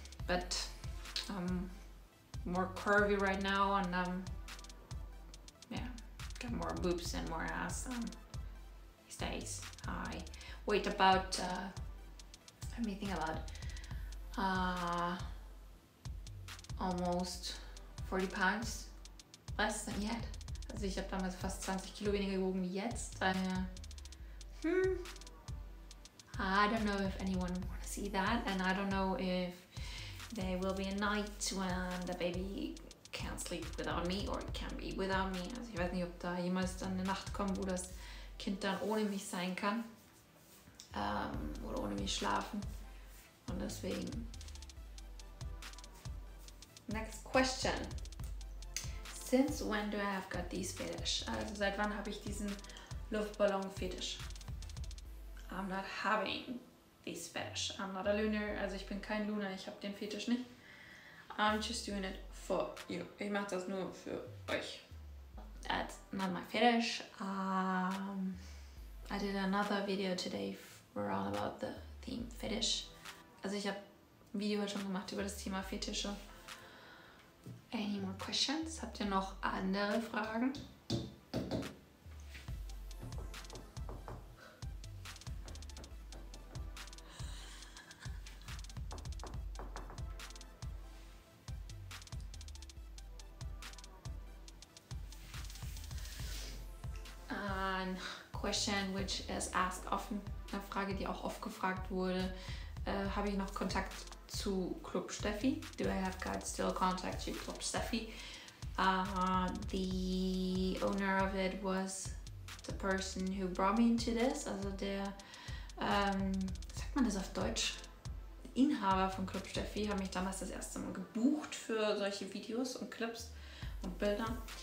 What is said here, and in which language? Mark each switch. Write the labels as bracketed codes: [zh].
[en] But I'm more curvy right now and yeah, got more boobs and more ass these days. I wait about let me think about almost 40 pounds less than yet. [de] Also ich habe damals fast 20 Kilo weniger gewogen wie jetzt. [en] I don't know if anyone wanna see that, and I don't know if there will be a night when the baby can't sleep without me or can be without me. [de] Also ich weiß nicht, ob da jemals dann eine Nacht kommt, wo das Kind dann ohne mich sein kann. Oder ohne mich schlafen. Und deswegen. [en] Next question. Since when do I have got these fetish? [de] Also seit wann habe ich diesen Luftballon-Fetisch? [en] I'm not having this fetish. I'm not a Looner. [de] Also ich bin kein Looner. Ich habe den Fetisch nicht. [en] I'm just doing it for you. [de] Ich mache das nur für euch. [en] That's not my fetish. I did another video today for all about the theme fetish. [de] Also ich habe ein Video heute schon gemacht über das Thema Fetische. [en] Any more questions? [de] Habt ihr noch andere Fragen? [en] Question which is asked often, [de] eine Frage, die auch oft gefragt wurde, habe ich noch Kontakt zu Club Steffi? [en] Do I have got still contact to Club Steffi? The owner of it was the person who brought me into this, [de] also der, sagt man das auf Deutsch? Inhaber von Club Steffi hat mich damals das erste Mal gebucht für solche Videos und Clips und Bilder.